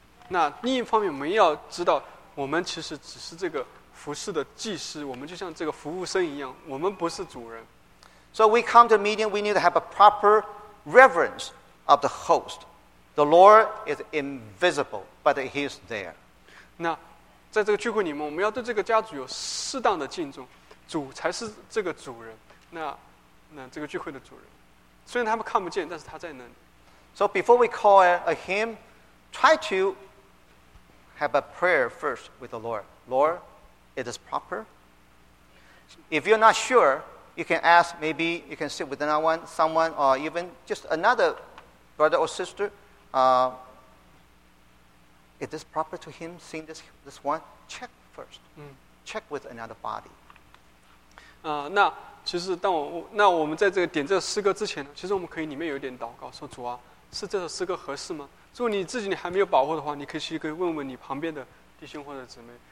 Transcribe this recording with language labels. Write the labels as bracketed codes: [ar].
[zh] 那另一方面，我们要知道，我们其实只是这个。服侍的祭司，我们就像这个服务生一样，我们不是主人。 [en] So we come to the meeting, we need to have a proper reverence of the host. The Lord is invisible, but he is there. [zh] 那在这个聚会里面，我们要对这个家主有适当的敬重，主才是这个主人。那这个聚会的主人，虽然他们看不见，但是他在那里。 [en] So before we call a hymn, try to have a prayer first with the Lord. Lord. It is proper. If you're not sure, you can ask, maybe you can sit with another one, someone, or even just another brother or sister. Is this proper to him, sing this one? Check first. Check with another body. [zh] 那其实我们在这个点这个诗歌之前呢，其实我们可以里面有点祷告，说主啊，是这首诗歌合适吗？如果你自己你还没有把握的话，你可以去跟问问你旁边的弟兄或者姊妹。